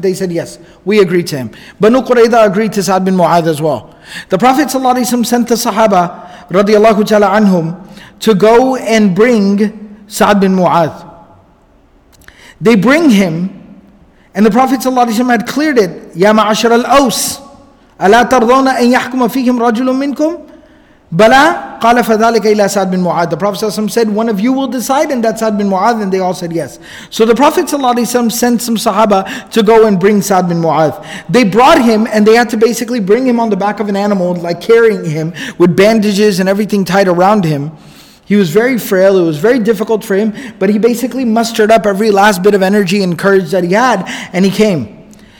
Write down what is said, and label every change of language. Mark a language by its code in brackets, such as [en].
[en] They said, yes, we agree to him. Banu Qurayza agreed to Sa'd bin Mu'adh as well. The Prophet ﷺ sent the Sahaba, radiallahu ta'ala anhum, to go and bring Sa'd bin Mu'adh. They bring him, and the Prophet ﷺ had cleared it. [ar] Ya ma'ashar al-Aws, ألا ترضون أن يحكم فيهم رجل منكم؟ بلى قال فذلك إلى سعد بن معاذ. [en] The Prophet ﷺ said, one of you will decide, and that's Sa'd bin Mu'adh. And they all said yes. So the Prophet ﷺ sent some Sahaba to go and bring Sa'd bin Mu'adh. They brought him, and they had to basically bring him on the back of an animal, like carrying him with bandages and everything tied around him. He was very frail, it was very difficult for him, but he basically mustered up every last bit of energy and courage that he had, and he came.